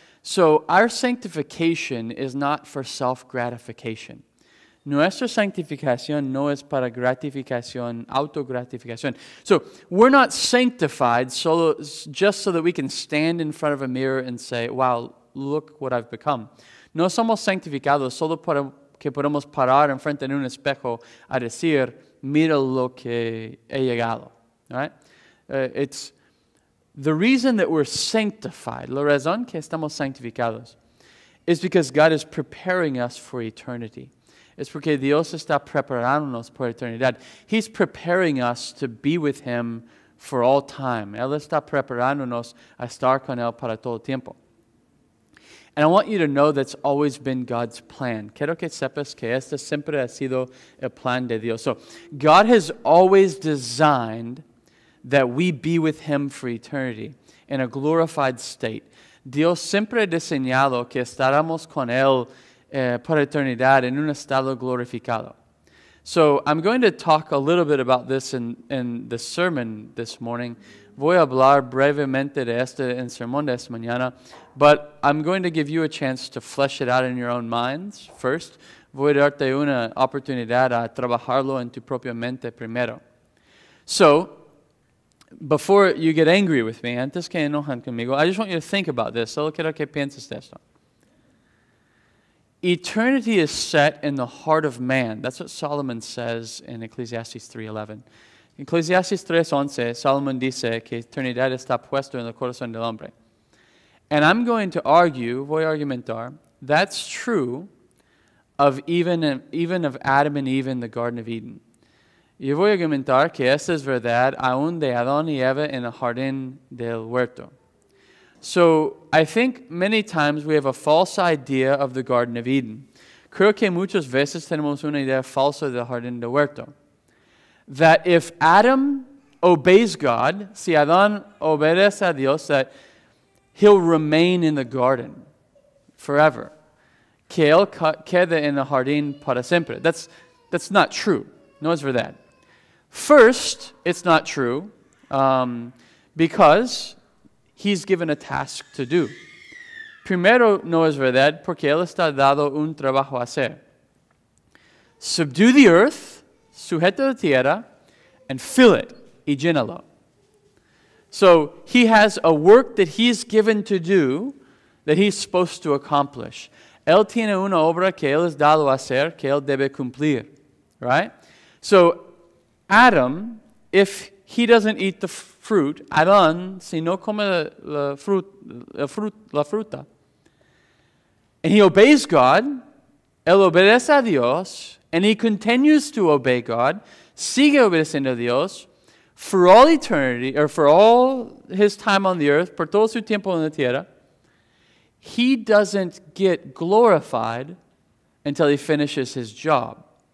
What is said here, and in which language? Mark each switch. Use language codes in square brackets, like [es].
[en] So our sanctification is not for self-gratification. [es] Nuestra sanctificación no es para gratificación, autogratificación. [en] So, we're not sanctified solo, just so that we can stand in front of a mirror and say, wow, look what I've become. [es] No somos sanctificados solo para que podamos parar en frente de un espejo a decir, mira lo que he llegado. [en] All right? It's the reason that we're sanctified, [es] la razón que estamos sanctificados, [en] is because God is preparing us for eternity. [es] Es porque Dios está preparándonos por eternidad. [en] He's preparing us to be with Him for all time. [es] Él está preparándonos a estar con Él para todo tiempo. [en] And I want you to know that's always been God's plan. [es] Quiero que sepas que este siempre ha sido el plan de Dios. [en] So, God has always designed that we be with Him for eternity in a glorified state. [es] Dios siempre ha diseñado que estaremos con Él por eternidad en un estado glorificado. [en] So I'm going to talk a little bit about this in the sermon this morning. [es] Voy a hablar brevemente de esto en sermón de esta mañana, [en] but I'm going to give you a chance to flesh it out in your own minds first. [es] Voy a darte una oportunidad a trabajarlo en tu propia mente primero. [en] So before you get angry with me, [es] antes que enojan conmigo, [en] I just want you to think about this. [es] Solo quiero que pienses de esto. [en] Eternity is set in the heart of man. That's what Solomon says in Ecclesiastes 3:11. [es] Ecclesiastes 3:11, Solomon dice que eternidad está puesto en el corazón del hombre. [en] And I'm going to argue, [es] voy a argumentar, [en] that's true of even of Adam and Eve in the Garden of Eden. [es] Yo voy a argumentar que esa es verdad aún de Adán y Eva en el jardín del huerto. [en] So, I think many times we have a false idea of the Garden of Eden. [es] Creo que muchas veces tenemos una idea falsa del Jardín del Huerto. [en] That if Adam obeys God, [es] si Adán obedece a Dios, [en] that he'll remain in the garden forever. [es] Que él quede en el jardín para siempre. [en] That's not true. [es] No es verdad. [en] First, it's not true because he's given a task to do. [es] Primero, no es verdad, porque él está dado un trabajo a hacer. [en] Subdue the earth, [es] sujeta la tierra, [en] and fill it, [es] y llénalo. [en] So, he has a work that he's given to do that he's supposed to accomplish. [es] Él tiene una obra que él es dado a hacer, que él debe cumplir, right? [en] So, Adam, if he doesn't eat the fruit, [es] Adán, si no come la fruta, [en] and he obeys God, [es] él obedece a Dios, [en] and he continues to obey God, [es] sigue obedeciendo a Dios, [en] for all eternity, or for all his time on the earth, [es] por todo su tiempo en la tierra, [en] he doesn't get glorified until he finishes his job.